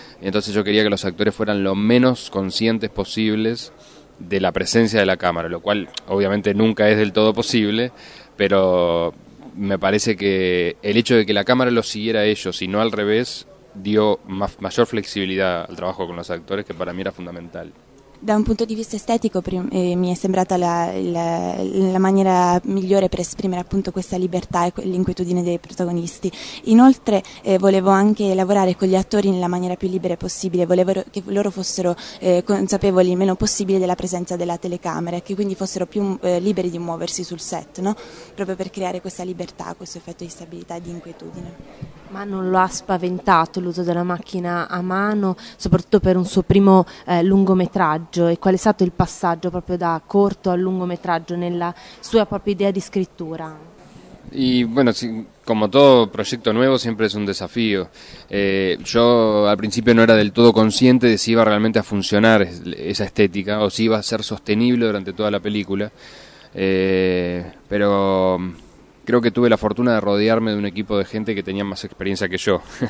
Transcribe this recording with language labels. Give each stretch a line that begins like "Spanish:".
Spanish: Y entonces yo quería que los actores fueran lo menos conscientes posibles de la presencia de la cámara, lo cual obviamente nunca es del todo posible, pero me parece que el hecho de que la cámara los siguiera a ellos y no al revés dio mayor flexibilidad al trabajo con los actores, que para mí era fundamental.
Italian: Da un punto di vista estetico mi è sembrata la maniera migliore per esprimere appunto questa libertà e l'inquietudine dei protagonisti. Inoltre volevo anche lavorare con gli attori nella maniera più libera possibile, volevo che loro fossero consapevoli il meno possibile della presenza della telecamera e che quindi fossero più liberi di muoversi sul set, no? Proprio per creare questa libertà, questo effetto di stabilità e di inquietudine. Ma non lo ha spaventato l'uso della macchina a mano, soprattutto per un suo primo lungometraggio? E qual è stato il passaggio proprio da corto a lungometraggio nella sua propria idea di scrittura?
Spanish: Y bueno, sí, como todo proyecto nuevo siempre es un desafío. Yo al principio no era del todo consciente de si iba realmente a funcionar esa estética o si iba a ser sostenible durante toda la película. Pero creo que tuve la fortuna de rodearme de un equipo de gente que tenía más experiencia que yo.